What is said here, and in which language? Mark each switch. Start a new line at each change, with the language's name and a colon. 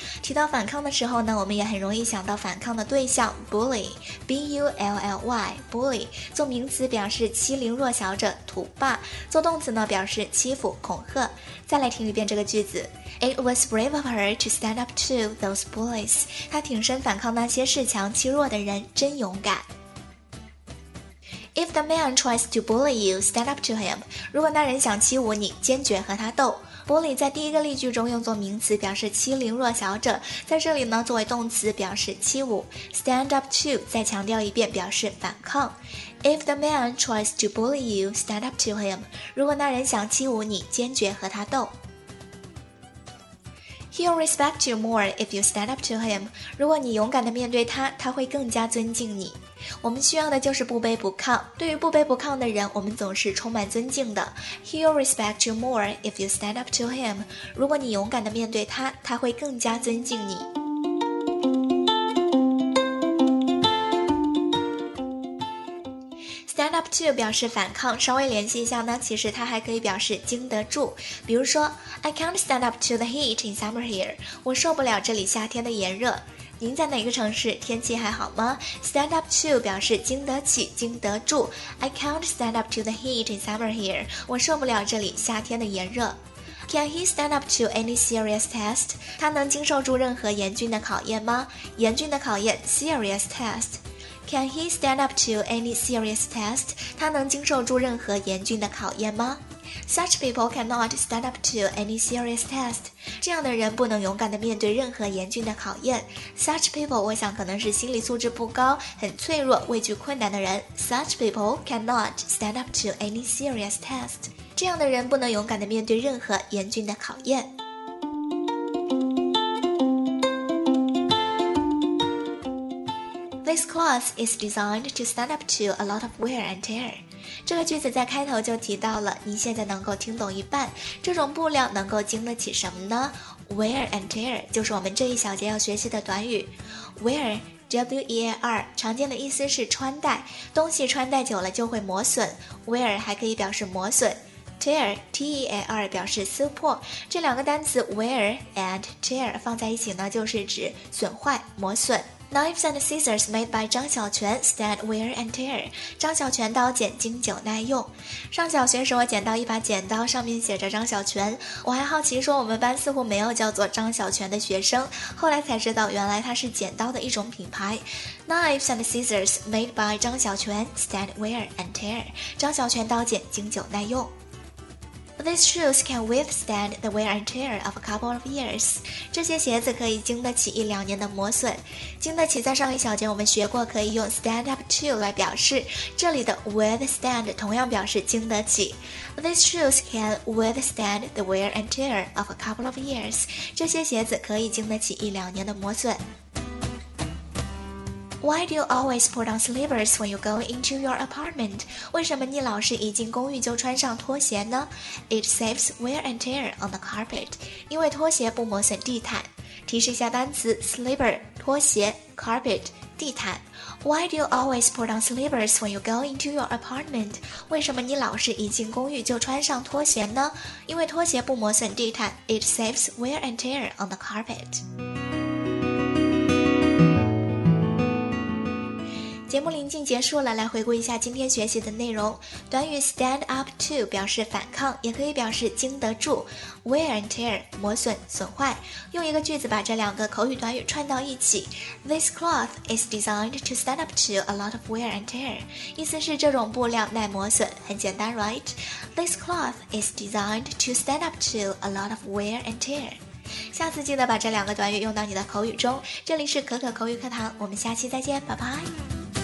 Chinese: 提到反抗的时候呢，我们也很容易想到反抗的对象 bully, B-U-L-L-Y, bully, 做名词表示欺凌弱小者土霸，做动词呢表示欺负恐吓。再来听一遍这个句子。
English: It was brave of her to stand up to those bullies.
Chinese: 她挺身反抗那些恃强欺弱的人，真勇敢。
English: If the man tries to bully you, stand up to him.
Chinese: 如果那人想欺侮你，坚决和他斗。Bully 在第一个例句中用作名词表示欺凌弱小者，在这里呢作为动词表示欺侮。 Stand up to 再强调一遍表示反抗。
English: If the man tries to bully you, stand up to him.
Chinese: 如果那人想欺侮你，坚决和他斗。
English: He'll respect you more if you stand up to him.
Chinese: 如果你勇敢地面对他，他会更加尊敬你。我们需要的就是不卑不亢。对于不卑不亢的人，我们总是充满尊敬的。
English: He'll respect you more if you stand up to him.
Chinese: 如果你勇敢地面对他，他会更加尊敬你。 Stand up to 表示反抗，稍微联系一下呢，其实它还可以表示经得住。比如说
English: ，I can't stand up to the heat in summer here.
Chinese: 我受不了这里夏天的炎热。您在哪个城市？天气还好吗 ？Stand up to 表示经得起、经得住。
English: I can't stand up to the heat in summer here.
Chinese: 我受不了这里夏天的炎热。
English: Can he stand up to any serious test?
Chinese: 他能经受住任何严峻的考验吗？严峻的考验
English: ，serious test. Can he stand up to any serious test?
Chinese: 他能经受住任何严峻的考验吗 ？
English: Such people cannot stand up to any serious test.
Chinese: 这样的人不能勇敢地面对任何严峻的考验。 Such people 我想可能是心理素质不高、很脆弱、畏惧困难的人。
English: Such people cannot stand up to any serious test.
Chinese: 这样的人不能勇敢地面对任何严峻的考验。
English: This cloth is designed to stand up to a lot of wear and tear.
Chinese: 这个句子在开头就提到了，您现在能够听懂一半。这种布料能够经得起什么呢 ？Wear and tear 就是我们这一小节要学习的短语。 Wear, W-E-A-R, 常见的意思是穿戴，东西穿戴久了就会磨损。 Wear 还可以表示磨损。Tear, T-E-A-R 表示撕破。这两个单词 wear and tear 放在一起呢，就是指损坏、磨损。
English: Knives and scissors made by 张小泉 stand wear and tear.
Chinese: 张小泉刀剪经久耐用。上小学时我捡到一把剪刀，上面写着张小泉。我还好奇说我们班似乎没有叫做张小泉的学生，后来才知道原来它是剪刀的一种品牌。
English: Knives and scissors made by 张小泉 stand wear and tear.
Chinese: 张小泉刀剪经久耐用。
English: These shoes can withstand the wear and tear of a couple of years.
Chinese: 这些鞋子可以经得起一两年的磨损。经得起在上一小节我们学过可以用 stand up to 来表示，这里的 withstand 同样表示经得起。
English: These shoes can withstand the wear and tear of a couple of years.
Chinese: 这些鞋子可以经得起一两年的磨损。
English: Why do you always put on slippers when you go into your apartment?
Chinese: 为什么你老是一进公寓就穿上拖鞋呢？
English: It saves wear and tear on the carpet.
Chinese: 因为拖鞋不磨损地毯。提示一下单词 slipper, 拖鞋 carpet, 地毯。
English: Why do you always put on slippers when you go into your apartment?
Chinese: 为什么你老是一进公寓就穿上拖鞋呢？因为拖鞋不磨损地毯。
English: It saves wear and tear on the carpet.
Chinese: 节目临近结束了，来回顾一下今天学习的内容。短语 stand up to 表示反抗，也可以表示经得住。 wear and tear 磨损损坏，用一个句子把这两个口语短语串到一起。
English: This cloth is designed to stand up to a lot of wear and tear，
Chinese: 意思是这种布料耐磨损，很简单
English: right？ This cloth is designed to stand up to a lot of wear and tear。
Chinese: 下次记得把这两个短语用到你的口语中。这里是可可口语课堂，我们下期再见，拜拜。